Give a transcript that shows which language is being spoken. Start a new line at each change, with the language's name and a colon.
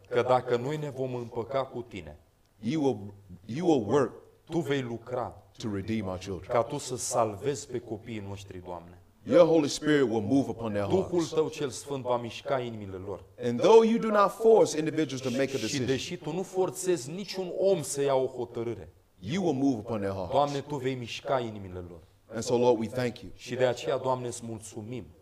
Romanian: Că dacă noi ne vom împăca cu Tine.
English: You will work.
Romanian: Tu vei lucra.
English: To redeem our children.
Romanian: Ca Tu să salvezi pe copiii noștri, Doamne.
English: Your Holy Spirit will move upon their hearts.
Romanian: Duhul Tău cel Sfânt va mișca inimile lor.
English: And though you do not force individuals to make a decision.
Romanian: Și deși Tu nu forțezi niciun om să ia o hotărâre.
English: You will move upon their hearts.
Romanian: Doamne, Tu vei mișca inimile lor.
English: And so Lord, we thank you.
Romanian: Și de aceea, Doamne, îți mulțumim.